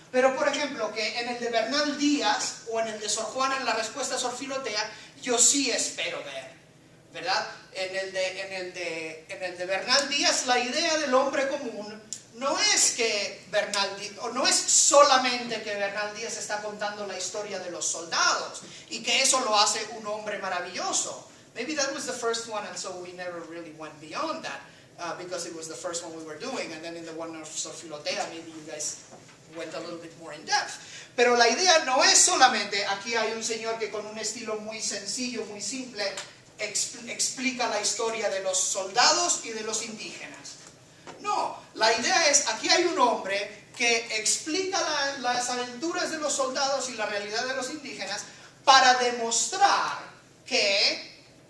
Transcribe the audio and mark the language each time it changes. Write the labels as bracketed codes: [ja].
[es] Pero, por ejemplo, que en el de Bernal Díaz o en el de Sor Juana en la respuesta a Sor Filotea, yo sí espero ver, ¿verdad? En el de Bernal Díaz, la idea del hombre común no es que Bernal Díaz, o no es solamente que Bernal Díaz está contando la historia de los soldados y que eso lo hace un hombre maravilloso. [en] Maybe that was the first one, and so we never really went beyond that, because it was the first one we were doing, and then in the one of Sor Filotea, maybe you guys went a little bit more in depth. [es] Pero la idea no es solamente, aquí hay un señor que con un estilo muy sencillo, muy simple, explica la historia de los soldados y de los indígenas. No, la idea es, aquí hay un hombre que explica las aventuras de los soldados y la realidad de los indígenas para demostrar que,